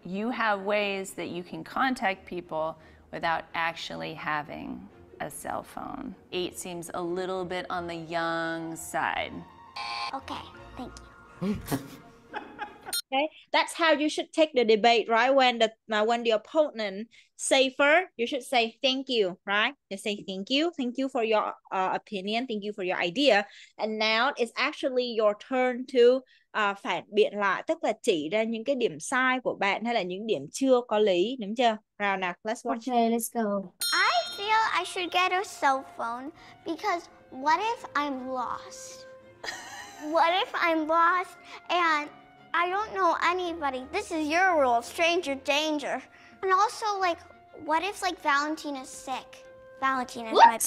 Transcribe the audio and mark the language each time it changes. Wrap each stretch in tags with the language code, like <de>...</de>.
<en>You have ways that you can contact people without actually having a cell phone. Eight seems a little bit on the young side. Okay, thank Okay, that's how you should take the debate, right? When the opponent safer, you should say thank you, right? You say thank you for your opinion, thank you for your idea, and now it's actually your turn to</en> <vi>phản biện lại, tức là chỉ ra những cái điểm sai của bạn hay là những điểm chưa có lý, đúng chưa? Nào nào,</vi> <en>let's Okay, watch. let's go. I feel I should get a cell phone because what if I'm lost? What if I'm lost and I don't know anybody? This is your rule, stranger danger. And also, what if Valentina's sick? Valentina's my best</en>